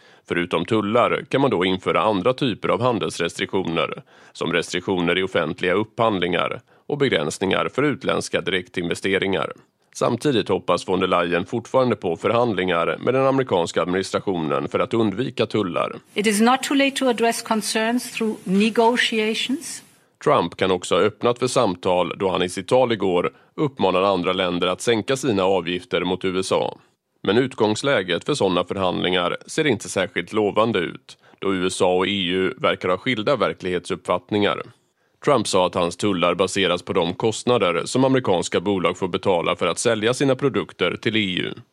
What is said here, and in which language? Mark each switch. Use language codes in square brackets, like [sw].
[sv] Förutom tullar kan man då införa andra typer av handelsrestriktioner, som restriktioner i offentliga upphandlingar och begränsningar för utländska direktinvesteringar. Samtidigt hoppas von der Leyen fortfarande på förhandlingar med den amerikanska administrationen för att undvika tullar. [en] It is not too late to address concerns through negotiations. [sv] Trump kan också ha öppnat för samtal då han i sitt tal igår uppmanade andra länder att sänka sina avgifter mot USA. Men utgångsläget för sådana förhandlingar ser inte särskilt lovande ut, då USA och EU verkar ha skilda verklighetsuppfattningar. Trump sa att hans tullar baseras på de kostnader som amerikanska bolag får betala för att sälja sina produkter till EU.